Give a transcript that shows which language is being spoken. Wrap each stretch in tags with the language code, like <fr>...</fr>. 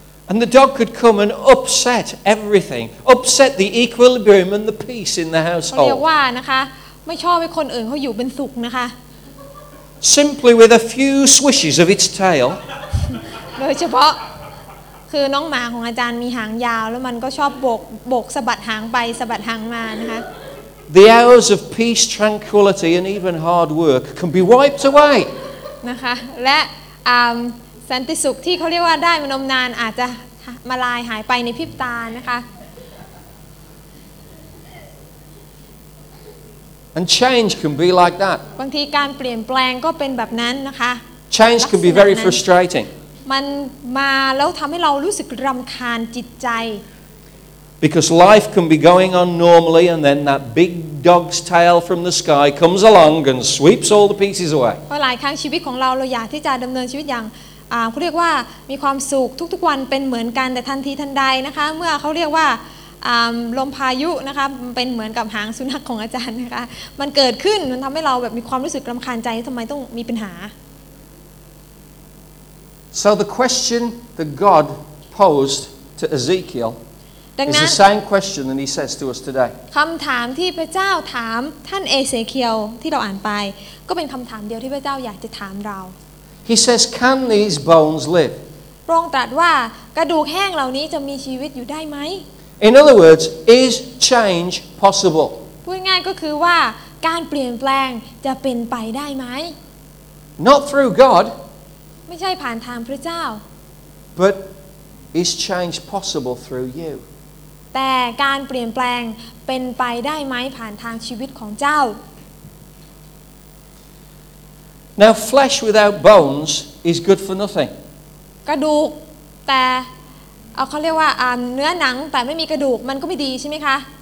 <en>And the dog could come and upset everything, upset the equilibrium and the peace in the household.</en> <th>เขาเรียกว่านะคะไม่ชอบให้คนอื่นเขาอยู่เป็นสุขนะคะ</th> <en>Simply with a few swishes of its tail.</en> <th>โดยเฉพาะคือน้องหมาของอาจารย์มีหางยาวแล้วมันก็ชอบโบกสะบัดหางไปสะบัดหางมานะคะ</th> <en>The hours of peace, tranquility, and even hard work can be wiped away</en> <th>นะคะและสันติสุขที่เขาเรียกว่าได้มานมนานอาจจะมาลายหายไปในพริบตานะคะ</th> <en>And change can be like that</en> <th>บางทีการเปลี่ยนแปลงก็เป็นแบบนั้นนะคะ</th> <en>Change can be very frustrating</en> <th>มันมาแล้วทำให้เรารู้สึกรำคาญจิตใจ</th> <en>Because life can be going on normally and then that big dog's tail from the sky comes along and sweeps all the pieces away</en> <th>เพราะหลายครั้งชีวิตของเราเราอยากที่จะดำเนินชีวิตอย่างเขาเรียกว่ามีความสุขทุกๆวันเป็นเหมือนกันแต่ทันทีทันใดนะคะเมื่อเขาเรียกว่าลมพายุนะคะเป็นเหมือนกับหางสุนัขของอาจารย์นะคะมันเกิดขึ้นมันทำให้เราแบบมีความรู้สึกรำคาญใจทำไมต้องมีปัญหา</th> <en>So the question that God posed to Ezekiel is the same question that He says to us today</en> <th>คำถามที่พระเจ้าถามท่านเอเซเคียลที่เราอ่านไปก็เป็นคำถามเดียวที่พระเจ้าอยากจะถามเรา</th> <en>He says, "Can these bones live?"</en> <th>พระองค์ตรัสว่ากระดูกแห้งเหล่านี้จะมีชีวิตอยู่ได้ไหม</th> <en>In other words, is change possible?</en> <th>พูดง่ายก็คือว่าการเปลี่ยนแปลงจะเป็นไปได้ไหม</th> <en>Not through God.</en> <th>ไม่ใช่ผ่านทางพระเจ้า</th> <en>But is change possible through you?</en> <th>แต่การเปลี่ยนแปลงเป็นไปได้ไหมผ่านทางชีวิตของเจ้า</th> <en>Now flesh without bones is good for nothing.</en> <th>กระดูกแต่เขาเรียกว่าเนื้อหนังแต่ไม่มีกระดูกมันก็ไม่ดีใช่ไหมคะ</th>